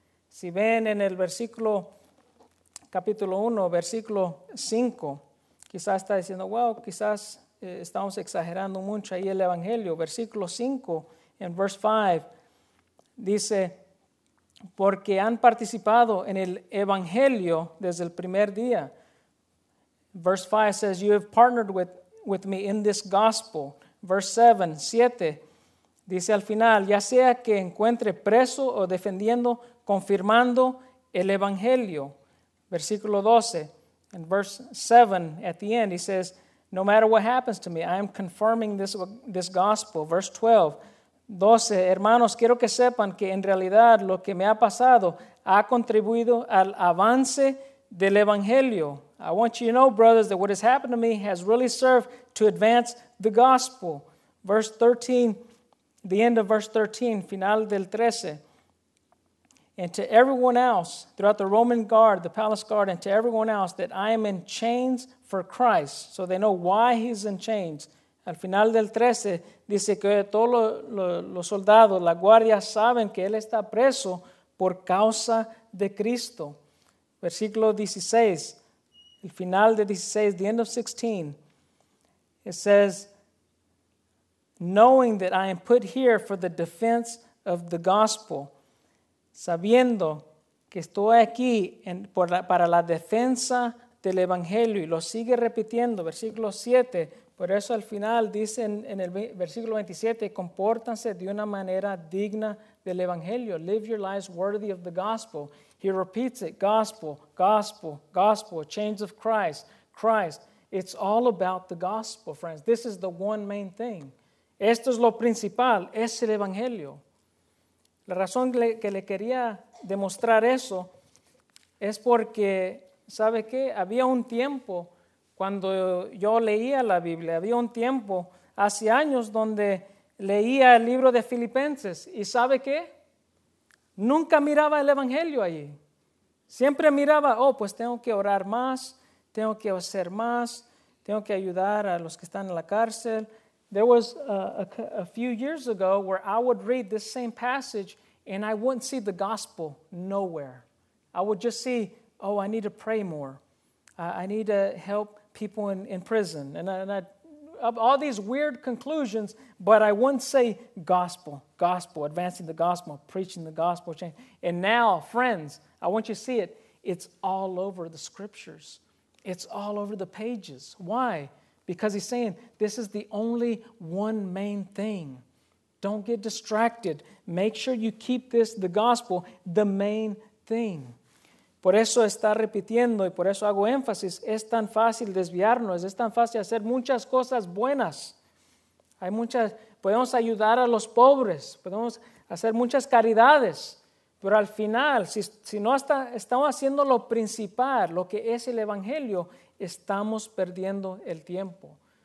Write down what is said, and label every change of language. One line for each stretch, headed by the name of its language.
Spanish: Si ven en el versículo, capítulo 1, versículo 5, quizás está diciendo, wow, quizás estamos exagerando mucho ahí el Evangelio. Versículo 5, en
English: verse 5,
Spanish: dice, porque han participado en el Evangelio desde el primer día.
English: Verse 5 says, you have partnered with me in this gospel. Verse 7,
Spanish: dice al final, ya sea que encuentre preso o defendiendo, confirmando el Evangelio. Versículo 12,
English: in verse 7, at the end, he says, no matter what happens to me, I am confirming this gospel. Verse 12,
Spanish: hermanos, quiero que sepan que en realidad lo que me ha pasado ha contribuido al avance del Evangelio.
English: I want you to know, brothers, that what has happened to me has really served to advance the gospel. Verse 13, the end of verse 13,
Spanish: final del 13.
English: And to everyone else, throughout the Roman guard, the palace guard, and to everyone else, that I am in chains for Christ. So they know why he's in chains.
Spanish: Al final del 13, dice que todos los soldados, la guardia, saben que él está preso por causa de Cristo. Versículo 16. El final de 16,
English: the end of 16, it says, knowing that I am put here for the defense of the gospel,
Spanish: sabiendo que estoy aquí para la defensa del evangelio, y lo sigue repitiendo, versículo 7, Por eso al final dice en el versículo 27, compórtanse de una manera digna del evangelio.
English: Live your lives worthy of the gospel. He repeats it, gospel, gospel, gospel, chains of Christ, Christ. It's all about the gospel, friends. This is the one main thing.
Spanish: Esto es lo principal, es el evangelio. La razón que le quería demostrar eso es porque, ¿sabe qué? Había un tiempo cuando yo leía la Biblia, había un tiempo, hace años, donde leía el libro de Filipenses. ¿Y sabe qué? Nunca miraba el evangelio allí. Siempre miraba, oh, pues tengo que orar más, tengo que hacer más, tengo que ayudar a los que están en la cárcel.
English: There was a few years ago where I would read this same passage and I wouldn't see the gospel nowhere. I would just see, oh, I need to pray more. I need to help people in prison. And I, all these weird conclusions, but I wouldn't say gospel, gospel, advancing the gospel, preaching the gospel. And now, friends, I want you to see it. It's all over the scriptures. It's all over the pages. Why? Because he's saying this is the only one main thing. Don't get distracted. Make sure you keep this, the gospel, the main thing.
Spanish: Por eso está repitiendo y por eso hago énfasis. Es tan fácil desviarnos. Es tan fácil hacer muchas cosas buenas. Hay muchas. Podemos ayudar a los pobres. Podemos hacer muchas caridades. Pero al final, si no estamos haciendo lo principal, lo que es el evangelio, estamos perdiendo el tiempo.